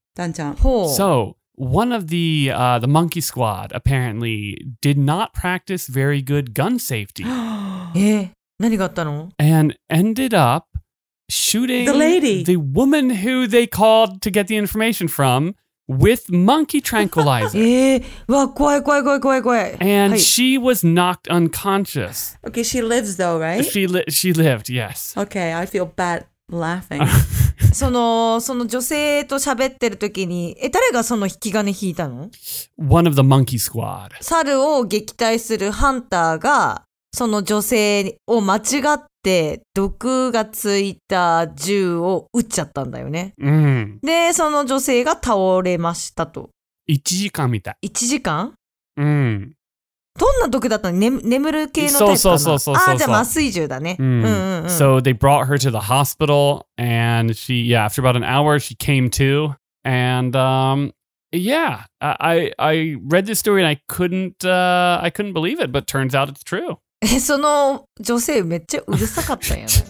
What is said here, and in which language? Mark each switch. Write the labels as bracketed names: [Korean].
[Japanese] ダンちゃん。ほう。 [English] So,One of the monkey squad apparently did not practice very good gun safety. [Japanese] え、何があったの? [English] And ended up shooting the lady, the woman who they called to get the information from, with monkey tranquilizer. [Japanese] わ、怖い、怖い、怖い、怖い、怖い。 [English] And she was knocked unconscious. Okay, she lives though, right? She lived, yes. Okay, I feel bad laughing. [Japanese] その女性と喋ってる時に、え、誰がその引き金引いたの? [English] One of the monkey squad. [Japanese] 猿を撃退するハンターがその女性を間違って毒がついた銃を撃っちゃったんだよね。うん。で、その女性が倒れましたと。 1時間みたい。 1時間？うん。どんな毒だったの？眠る系のタイプかな？そうそうそうそう。ああ、じゃあ麻酔銃だね。うん。うんうんうん。 [English] So they brought her to the hospital and she, yeah, after about an hour she came to and, yeah, I read this story and I couldn't believe it, but turns out it's true. [Japanese] その女性めっちゃうるさかったよね。